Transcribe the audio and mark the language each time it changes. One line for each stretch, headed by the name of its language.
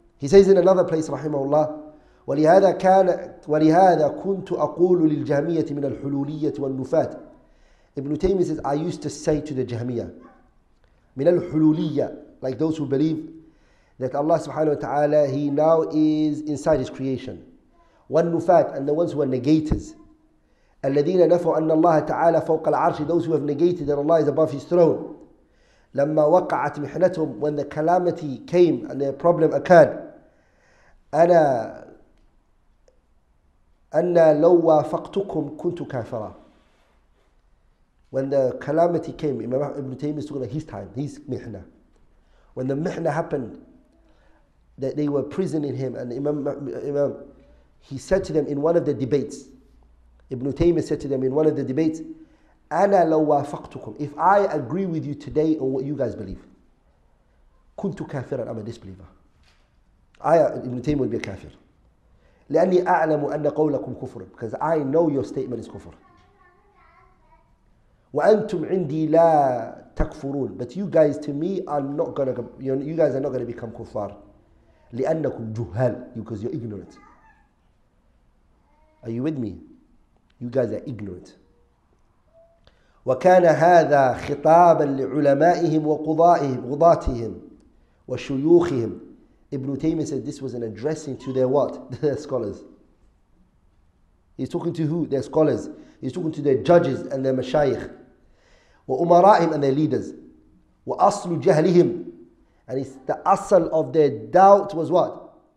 English: He says in another place,
Arabic: rahimahullah, ولهذا كان ولهذا كنت أقول للجهمية من الحلولية والنفات.
English: Ibn Taymiyyah says, I used to say to the Jahmiyyah,
Arabic: من الحلولية,
English: like those who believe that Allah subhanahu wa ta'ala, he now is inside his creation.
Arabic: والنفات,
English: and the ones who are negators.
Arabic: الذين نفوا أن الله تعالى فوق العرش,
English: those who have negated that Allah is above his throne.
Arabic: لما وقعت محنتهم,
English: when the calamity came and their problem occurred.
Arabic: أنا أَنَّا لَوْ وَافَقْتُكُمْ كُنْتُ كَافِرًا.
English: When the calamity came, Imam Ibn Taymiyyah is talking about his time, his mihna. When the mihna happened, that they were prisoning him, and Imam, he said to them in one of the debates, Ibn Taymiyyah said to them in one of the debates,
Arabic: أَنَّا لَوْ وَافَقْتُكُمْ,
English: if I agree with you today on what you guys believe,
Arabic: كُنْتُ كَافِرًا,
English: I'm a disbeliever. Ibn Taymiyyah would be a kafir.
Arabic: لأني أعلم أن قولكم كفر,
English: because I know your statement is كفر.
Arabic: وأنتم عندي لا تكفرون,
English: but you guys to me are not gonna, you guys are not gonna become كفار.
Arabic: لأنكم جهال,
English: because you're ignorant. Are you with me? You guys are ignorant.
Arabic: وكان هذا خطابا لعلمائهم وقضائهم وقضاتهم وشيوخهم.
English: Ibn Taymiyyah said this was an addressing to their what? Their scholars. He's talking to who? Their scholars. He's talking to their judges and their mashayikh.
Arabic: وَأُمَرَائِهِمْ,
English: and their leaders.
Arabic: وَأَصْلُ جَهْلِهِمْ,
English: and it's the asal of their doubt was what?